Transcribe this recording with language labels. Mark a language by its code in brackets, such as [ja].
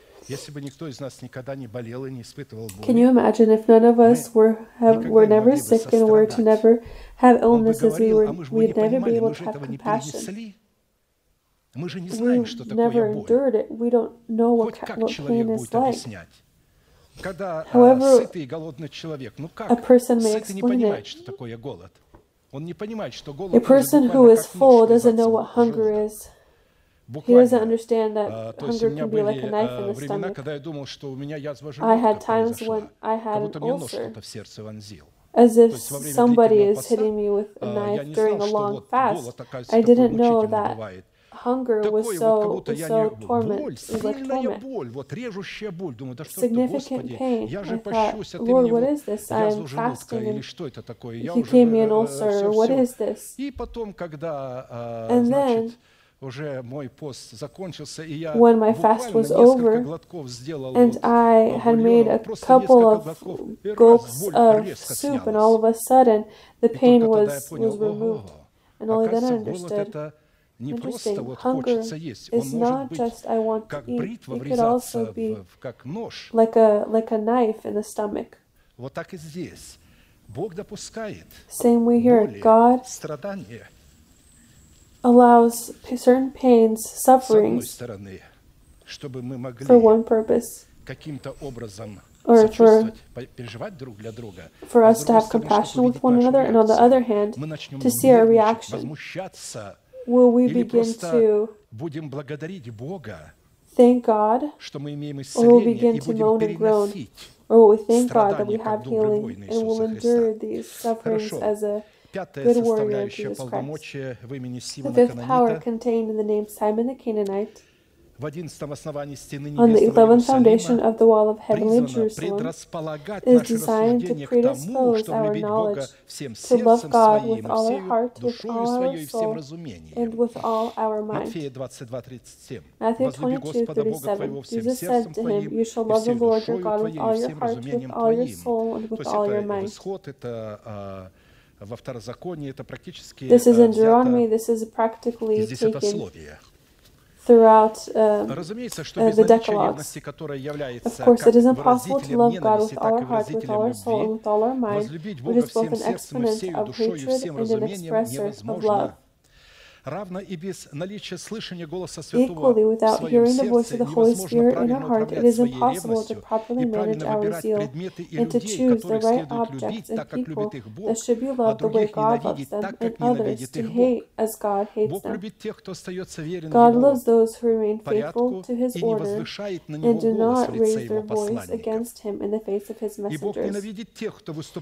[ru] Если бы никто из нас никогда не болел и не испытывал боли, [en] can you imagine if none of us were never sick and were to never have illnesses, [ru] говорил, [en] we'd never be able to have compassion. [ru] Мы же не знаем, что такое боль. [en] We don't know what pain is like. [ru] Когда сытый и голодный человек, ну как? [en] A person may explain it. [ru] Что такое голод. Он не понимает, что голод. [en] A person who is full doesn't know what hunger is. He doesn't understand that hunger can be like a knife in the stomach. [ru] Когда я думал, что у меня язва желудка. [en] I had times when I had an ulcer. [ru] Как будто мне нож в сердце вонзил. [en] As if somebody is hitting me with a knife during a long fast. I didn't know that hunger was so torment. [ru] Сильная [en] like torment. [ru] Боль, вот режущая боль. Думаю, да что [en] significant [ru] это, [en] pain. [ru] Я же [en] thought, [ru] пощусь, [en] Lord, [ru] мне [en] what is this? I am fasting. [ru] Или что это такое? [en] He [ru] уже, [en] gave me an ulcer. [ru] Все, [en] what is this? [ru] И потом, когда, [en] and [ru] значит, [en] then, [ru] уже мой пост закончился, и я [en] when my fast was over, [ru] сделал, [en] and [ru] вот, [en] I had made a couple of gulps of soup, and all of a sudden, the pain was removed. And only then I understood. [ru] Не просто вот хочется есть, он может быть как бритва врезаться в как нож. [en] Like a knife in the stomach. [ru] Вот так и здесь. Бог допускает боли, страдания. [en] Allows certain pains, sufferings. [ru] С одной стороны, чтобы мы могли [en] for one purpose, [ru] каким-то образом [en] or [ru] переживать друг для друга. [en] For us to have compassion with one another, and on the other hand, to see our reaction. Will we begin to [ru] будем благодарить Бога, [en] thank God, [ru] что мы имеем исцеление, и будем [en] thank God that we have healing and will endure these sufferings [ru] хорошо. [en] As a good warrior Jesus Christ. [ru] Полномочия в имени Симона [en] the fifth power contained in the name Simon the Canaanite. [ru] В 11 основании стены [en] on the 11th foundation of the wall of heavenly Jerusalem is designed to predispose [ru] тому, [en] our knowledge [ru] всем [en] to love God [ru] своим, [en] with all our heart, with all our soul, and with all our mind. Matthew 22:37. Jesus said to him, you shall love the Lord your God with all your heart, with all your soul, and with all your mind. Во второзаконии это практически this is in Deuteronomy, this is practically taken throughout the Decalogues. Of course, it is impossible to love God with all our heart, with all our soul, and with all our mind, which is both an exponent of hatred and an expressor of love. [ru] Равно и без наличия слышания голоса [en] Equally, without hearing the voice of the Holy Spirit in our heart, it is impossible properly manage our zeal and to choose the right objects and people that should be loved the way God loves them and others to hate as God hates them. God loves those who remain faithful to His order and do not raise their voice against Him in the face of His messengers.